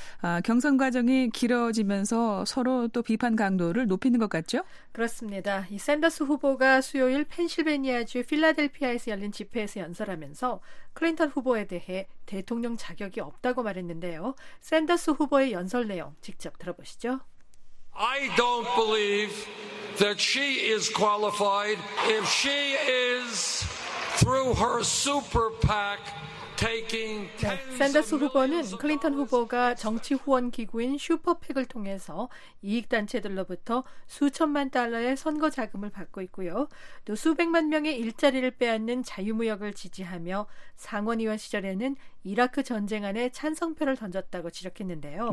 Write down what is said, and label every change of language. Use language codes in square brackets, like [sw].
[ko] 아, 경선 과정이 길어지면서 서로 또 비판 강도를 높이는 것 같죠? 그렇습니다. 이 샌더스 후보가 수요일 펜실베니아주 필라델피아에서 열린 집회에서 연설하면서 클린턴 후보에 대해 대통령 자격이 없다고 말했는데요. 샌더스 후보의 연설 내용 직접 들어보시죠. [en] I don't believe that she is qualified if she is through her super PAC taking tens of millions of dollars. [ko] 샌더스 후보는 클린턴 후보가 정치 후원 기구인 슈퍼팩을 통해서 이익 단체들로부터 수천만 달러의 선거 자금을 받고 있고요. 또 수백만 명의 일자리를 빼앗는 자유무역을 지지하며 상원의원 시절에는 이라크 전쟁 안에 찬성표를 던졌다고 지적했는데요.